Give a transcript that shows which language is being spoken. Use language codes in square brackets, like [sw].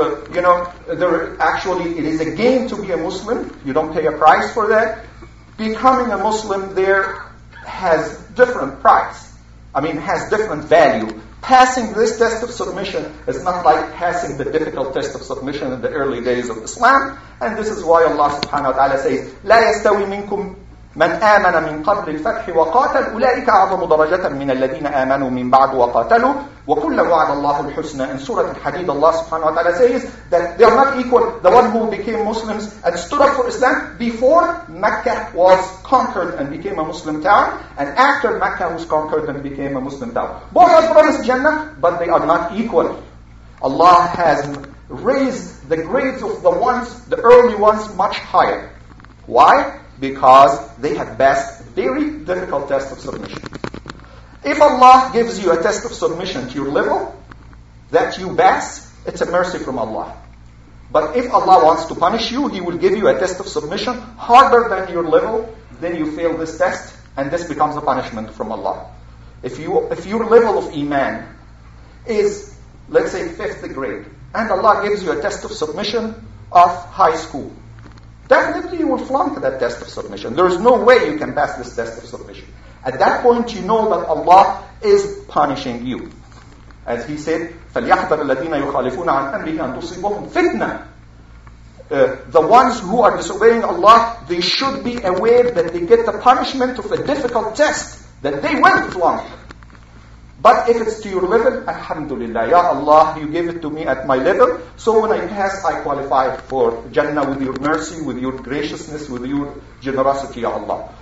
[en] It is a gain to be a Muslim. You don't pay a price for that. Becoming a Muslim there has different price. I mean, has different value passing this test of submission is not like passing the difficult test of submission in the early days of Islam. And this is why Allah subhanahu wa ta'ala says, [ar] لَا يَسْتَوِي مِنْكُمْ مَنْ آمَنَ مِنْ قَبْلِ الْفَتْحِ وَقَاتَلُ أُولَٰئِكَ أَعْظَمُ دَرَجَةً مِنَ الَّذِينَ آمَنُوا مِنْ بَعْدُ وَقَاتَلُوا وَكُلَّ وَعَدَ اللَّهُ الْحُسْنَى. [en] In Surah Al-Hadid, Allah subhanahu wa ta'ala says that they are not equal. The one who became Muslims and stood up for Islam before Mecca was conquered and became a Muslim town, and after Mecca was conquered and became a Muslim town. Both are promised Jannah, but they are not equal. Allah has raised the grades of the ones, the early ones, much higher. Why? Because they have passed very difficult test of submission. If Allah gives you a test of submission to your level that you pass, it's a mercy from Allah. But if Allah wants to punish you, He will give you a test of submission harder than your level, then you fail this test, and this becomes a punishment from Allah. If your level of iman is, let's say, fifth grade, and Allah gives you a test of submission of high school, definitely you will flunk that test of submission. There is no way you can pass this test of submission. At that point, you know that Allah is punishing you. As He said, [ar] فَلْيَحْذَرِ الَّذِينَ يُخَالِفُونَ عَنْ أَمْرِهِ أَنْ تُصِيبَهُمْ فِتْنَةً. [en] The ones who are disobeying Allah, they should be aware that they get the punishment of a difficult test that they will flunk. But if it's to your level, alhamdulillah, ya Allah, you gave it to me at my level. So when I pass, I qualify for Jannah with your mercy, with your graciousness, with your generosity, ya Allah.